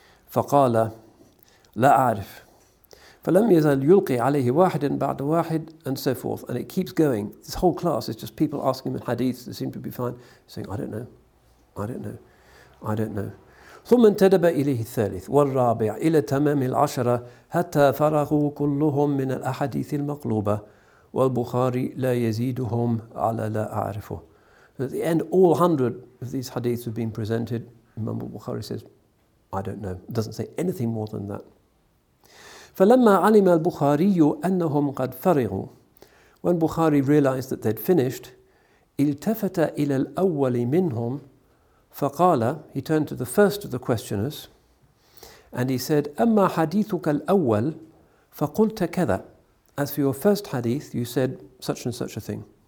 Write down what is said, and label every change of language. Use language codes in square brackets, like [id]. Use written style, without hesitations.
[ar] فقال لا أعرف, فلم يزل يلقي عليه واحد بعد واحد, [en] and so forth, and it keeps going. This whole class is just people asking him in hadiths that seem to be fine, saying I don't know, I don't know, I don't know. [ar] ثم انتدب إليه الثالث والرابع إلى تمام العشرة حتى فرغوا كلهم من الأحاديث المقلوبة والبخاري لا يزيدهم على لا أعرفه. [en] At the end, all 100 of these hadiths have been presented. Imam Bukhari says, I don't know. Doesn't say anything more than that. [ar] فلما علم البخاري أنهم قد فرغوا, [en] when Bukhari realized that they'd finished, [ar] التفت إلى الأول منهم فقال, [en] he turned to the first of the questioners and he said, [ar] أما حديثك الأول فقلت كذا, [en] as for your first hadith you said such and such a thing,